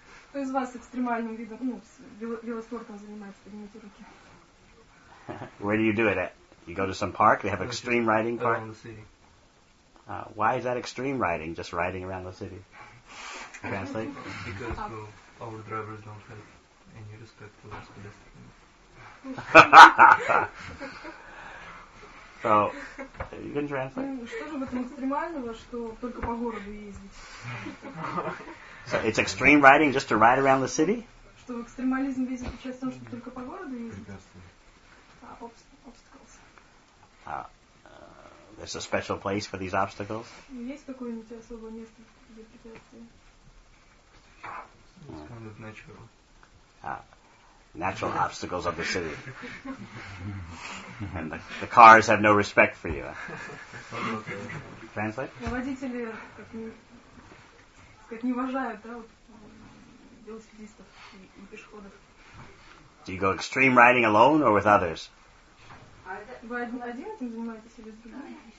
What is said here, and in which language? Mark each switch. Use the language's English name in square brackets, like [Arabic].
[Russian] Кто из вас экстремальным видом, ну, велоспортом занимается, поднимите руки. [English] Where do you do it at? You go to some park? They have extreme riding park? Around the city. Why is that extreme riding, just riding around the city? Translate? Because our drivers don't have any respect for us pedestrians. So, you can translate. [Russian] Что же в этом экстремального, что только по городу ездить? [English] So, it's extreme riding just to ride around the city? [Russian] Что в экстремализм весь заключается в том, что только по городу ездить? [English] Obstacles. There's a special place for these obstacles? [Russian] Есть какое-нибудь особое место для препятствий? [English] Kind of natural. Natural obstacles of the city. And the cars have no respect for you. Translate? [Russian] Водители как не уважают, да, вот велосипедистов и пешеходов. [English] Do you go extreme riding alone or with others? [Russian] Вы один этим занимаетесь или с другими?